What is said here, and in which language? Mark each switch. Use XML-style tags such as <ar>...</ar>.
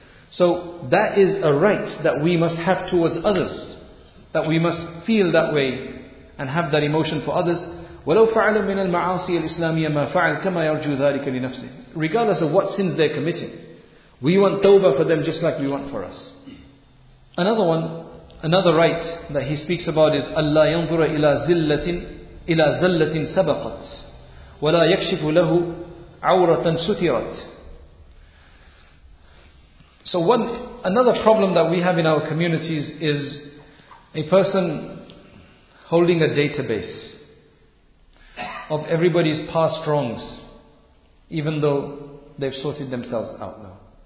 <en>So that is a right that we must have towards others, that we must feel that way and have that emotion for others.</en> <ar>وَلَوْ فَعَلُوا مِنَ الْمَعَاصِيَ الْإِسْلَامِيَ مَا فَعَلْ كَمَا يَرْجُوا ذَلِكَ لِنَفْسِهِ.</ar> <en>Regardless of what sins they're committing, we want tawbah for them just like we want for us. Another one, another right that he speaks about is</en> <ar>أَلَّا يَنْظُرَ إِلَى زَلَّةٍ سَبَقَتْ وَلَا يَكْشِفُ لَهُ عَوْرَةً سُتِرَتْ.</ar> <en>So one, another problem that we have in our communities is a person holding a database of everybody's past wrongs, even though they've sorted themselves out now.</en>